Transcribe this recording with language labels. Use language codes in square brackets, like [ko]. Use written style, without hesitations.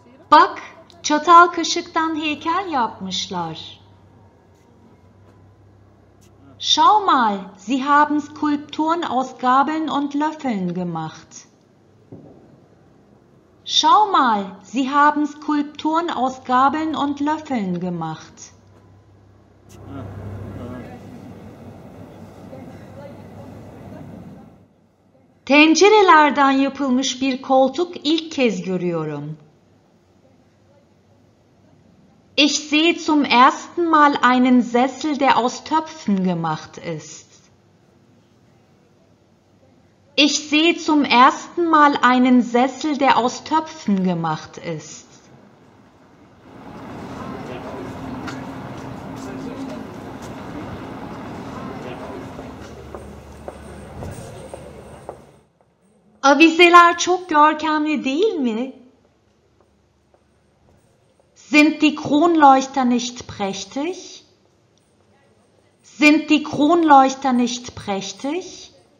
[tr] Bak, çatal kaşıktan heykel yapmışlar. [de] Schau mal, sie haben Skulpturen aus Gabeln und Löffeln gemacht. Schau mal, sie haben Skulpturen aus Gabeln und Löffeln gemacht. [tr] Tencerelerden yapılmış bir koltuk ilk kez görüyorum. [de] Ich sehe zum ersten Mal einen Sessel, der aus Töpfen gemacht ist. Ich sehe zum ersten Mal einen Sessel, der aus Töpfen gemacht ist. [tr] Avizeler çok görkemli değil mi? [de] Sind die Kronleuchter nicht prächtig? Sind die Kronleuchter nicht prächtig?